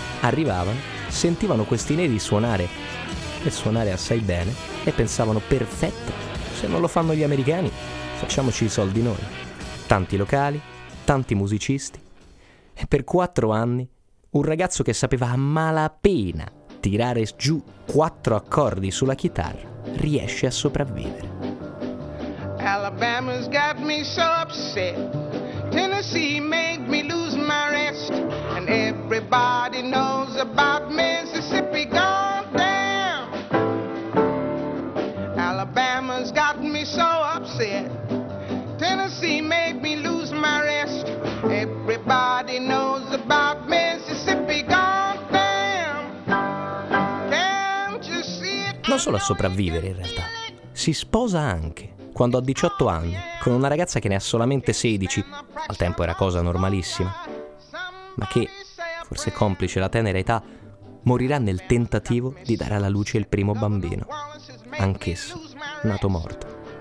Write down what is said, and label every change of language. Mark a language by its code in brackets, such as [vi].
[it] Arrivavano, sentivano questi neri suonare, e suonare assai bene, e pensavano: perfetto, se non lo fanno gli americani, facciamoci i soldi noi. Tanti locali, tanti musicisti. E per 4 anni, un ragazzo che sapeva a malapena tirare giù 4 accordi sulla chitarra riesce a sopravvivere. [en] Alabama's got me so upset. Tennessee made me lose my rest. And everybody knows about Mississippi gone down. Alabama's got me so upset. Tennessee made me lose my rest. Everybody knows about Mississippi gone down. Can't you see it? [it] Non solo a sopravvivere, in realtà. Si sposa anche, quando ha 18 anni, con una ragazza che ne ha solamente 16, al tempo era cosa normalissima, ma che, forse complice la tenera età, morirà nel tentativo di dare alla luce il primo bambino, anch'esso nato morto.